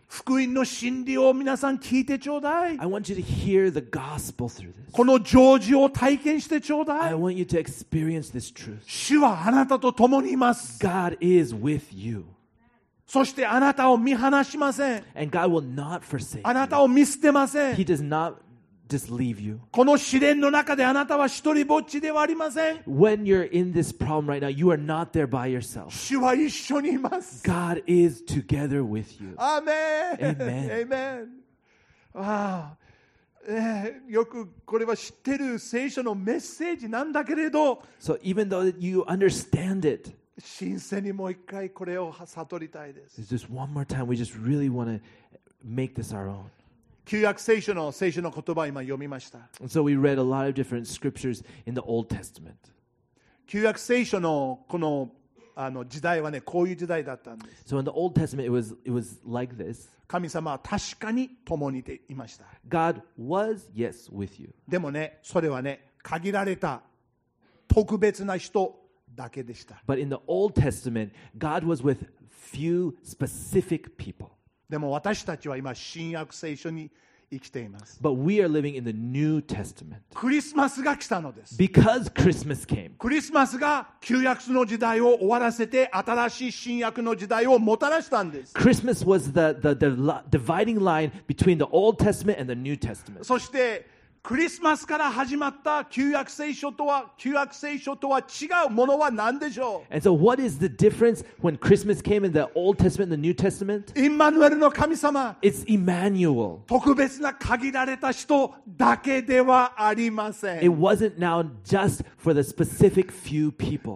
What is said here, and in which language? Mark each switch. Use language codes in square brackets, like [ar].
[ja] 福音の真理を皆さん聞いてちょうだい。 [en] I want you to hear the gospel through this. [ja] この成就を体験してちょうだい。 [en] I want you to experience this truth. [ja] 主はあなたと共にいます。 [en] God is with you. [ja] そしてあなたを見放しません。 [en] And God will not forsake you. [ja] あなたを見捨てません。 [en] He does not just leave you. [ja] この試練の中であなたは一人ぼっちではありません。 [en] When you're in this problem right now, you are not there by yourself. [ja] 主は一緒にいます。 [en] God is together with you. Amen. Amen. Amen. Wow. [ja] よくこれは知ってる聖書のメッセージなんだけれど。 [en] So even though you understand it, [ja] 新鮮にもう一回これを悟りたいです。 [en] It's just one more time. We just really want to make this our own. [ja] 旧約聖書の言葉を今読みました。 [en] So we read a lot of different scriptures in the Old Testament. [ja] 旧約聖書のこの、あの時代はね、こういう時代だったんです。 [en] So in the Old Testament, it was like this. [ja] 神様は確かに共にいました。 [en] God was, yes, with you. [ja] でもね、それはね、限られた特別な人だけでした。 [en] But in the Old Testament, God was with few specific people. [ja] でも私たちは今新約聖書に生きています。 [en] But we are living in the New Testament. [ja] クリスマスが来たのです。 [en] Because Christmas came. [ja] クリスマスが旧約の時代を終わらせて新しい新約の時代をもたらしたんです。 [en] Christmas was the dividing line between the Old Testament and the New Testament. [ja] そしてクリスマスから始まった旧約聖書とは違うものは何でしょう? [en] And so what is the difference when Christmas came in the Old Testament and the New Testament? [ja] インマヌエルの神様。 [en] It's Emmanuel. [ja] 特別な限られた人だけではありません。 [en] It wasn't now just for the specific few people.